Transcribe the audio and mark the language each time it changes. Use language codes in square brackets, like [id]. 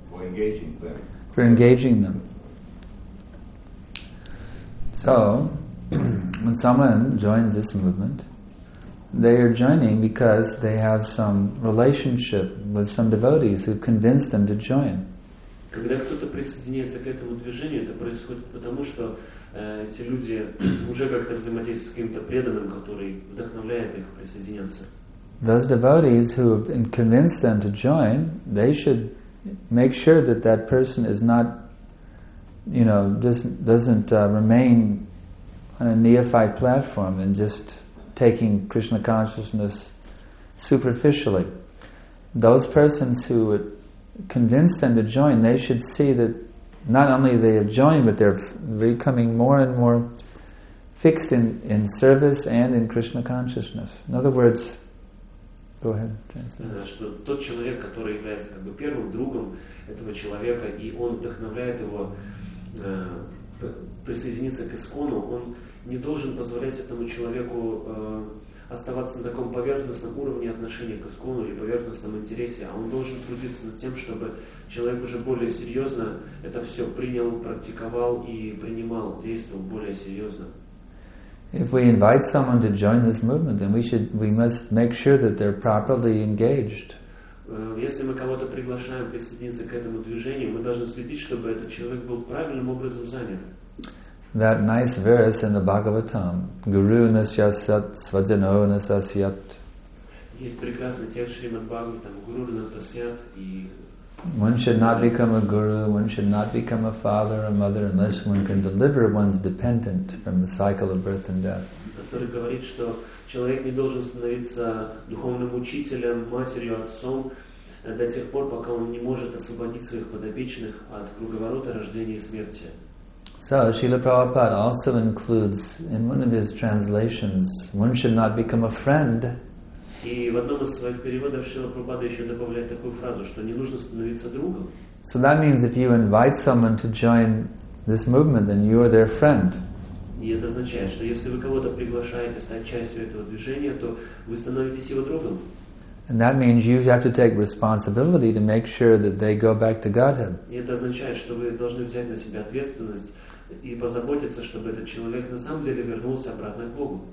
[en] For engaging them. For engaging them. So, when someone joins this movement, they are joining because they have some relationship with some devotees who've convinced them to join. [ru] Когда кто-то присоединяется к этому движению, это происходит потому, что эти люди уже как-то взаимодействуют с каким-то преданным, который вдохновляет их присоединяться. [en] Those devotees who have convinced them to join, they should make sure that that person is not, you know, just doesn't remain on a neophyte platform and just taking Krishna consciousness superficially. those persons who would convince them to join, they should see that not only they have joined, but they're becoming more and more fixed in service and in Krishna consciousness. In other words, go ahead, translate. [ru] Что тот человек, который является как бы первым другом этого человека, и он вдохновляет его присоединиться к ИСККОНу, он не должен позволять этому человеку оставаться на таком поверхностном уровне отношения к ИСККОНу или поверхностном интересе, а он должен трудиться над тем, чтобы человек уже более серьезно это все принял, практиковал и принимал, действовал более серьезно. [en] If we invite someone to join this movement, then we must make sure that they're properly engaged. [ru] Если мы кого-то приглашаем присоединиться к этому движению, мы должны следить, чтобы этот человек был правильным образом занят. [en] That nice verse in the Bhagavatam, [sa] Guru nasya sat svajano nasya syat. [ru] Есть прекрасный текст Шримад Бхагаватам, [sa] Guru nasya syat. [en] One should not become a guru, one should not become a father or mother unless one can deliver one's dependent from the cycle of birth and death. [ru] Который говорит, что человек не должен становиться духовным учителем, матерью, отцом до тех пор, пока он не может освободить своих подопечных от круговорота рождения и смерти. [en] So, Srila Prabhupada also includes in one of his translations, one should not become a friend. [ru] И в одном из своих переводов Шрила Прабхупада еще добавляет такую фразу, что не нужно становиться другом. [en] So that means if you invite someone to join this movement, then you are their friend. [ru] И это означает, что если вы кого-то приглашаете стать частью этого движения, то вы становитесь его другом. [en] And that means you have to take responsibility to make sure that they go back to Godhead. [ru] И это означает, что вы должны взять на себя ответственность и позаботиться, чтобы этот человек на самом деле вернулся обратно к Богу.